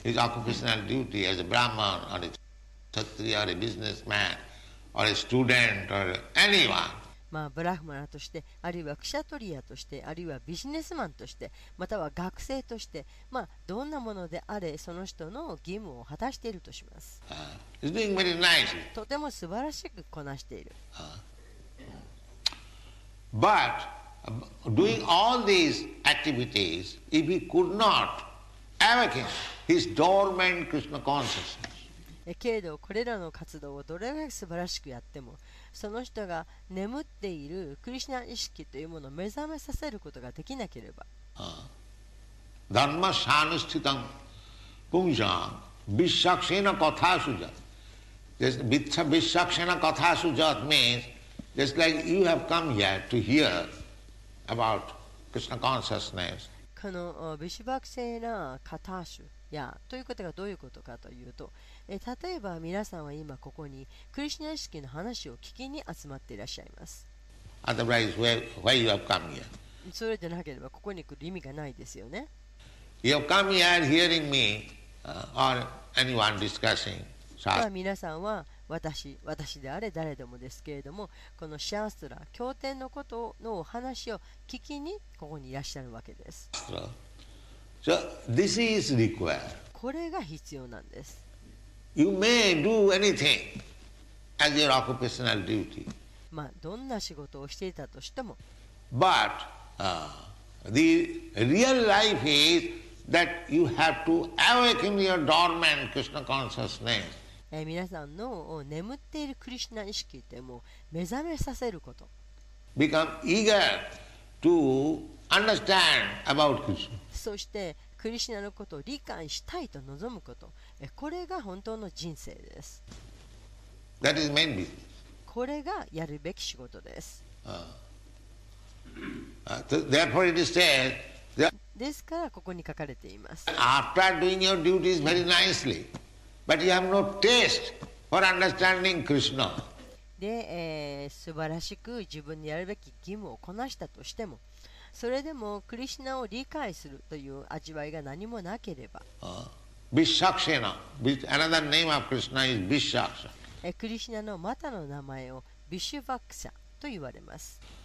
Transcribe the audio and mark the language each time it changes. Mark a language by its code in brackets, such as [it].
[en] His occupational duty as a Brahman or a Kshatriya or a businessman or a student or anyone. [ja] まあ、ブラフマナとして、あるいはクシャトリアとして、あるいはビジネスマンとして、または学生として、まあ、どんなものであれ、その人の義務を果たしているとします。 [en] He's doing very nicely. [ja] とても素晴らしくこなしている。 [en] But doing all these activities, if he could not awaken his dormant Krishna consciousness. [ja] けれどこれらの活動をどれだけ素晴らしくやってもその人が眠っているクリシナ意識というものを目覚めさせることができなければ、 [sa] ダンマシャヌスティタンプンシャンビッシャクシェナカタスジャー、ビッシャクシェナカタスジャー [en] means just like you have come here to hear about Krishna consciousness。 [ja] このビシバクシェナカタスいやということがどういうことかというと、例えば皆さんは今ここにクリシナ意識の話を聞きに集まっていらっしゃいます。 [en] Otherwise, why you have come here? [ja] それでなければここに来る意味がないですよね。 [en] You have come here hearing me or anyone discussing Shastra. [ja] 皆さんは私であれ誰でもですけれども、このシャーストラ経典のことのお話を聞きにここにいらっしゃるわけです。 [en] So, this is required. [ja] これが必要なんです。 [en] You may do anything as your occupational duty. [ja] まあ、どんな仕事をしていたとしても。 [en] But, the real life is that you have to awaken your dormant Krishna consciousness. [ja] 皆さんの眠っているクリシナ意識でも目覚めさせること。 [en] Become eager to understand about Krishna. [ja] そしてクリシナのことを理解したいと望むこと、これが本当の人生です。 [en] That is main business. [ja] これがやるべき仕事です。 [en] Therefore it is said, [ja] ですからここに書かれています。 [en] After doing your duties very nicely, but you have no taste for understanding Krishna. [ja] で、素晴らしく自分にやるべき義務をこなしたとしても、それでもクリシナを理解するという味わいが何もなければ、 [en] Vishakshena. Another name of Krishna is Vishakshena. [ja] クリシナのまたの名前をビシュバクシャと言われます。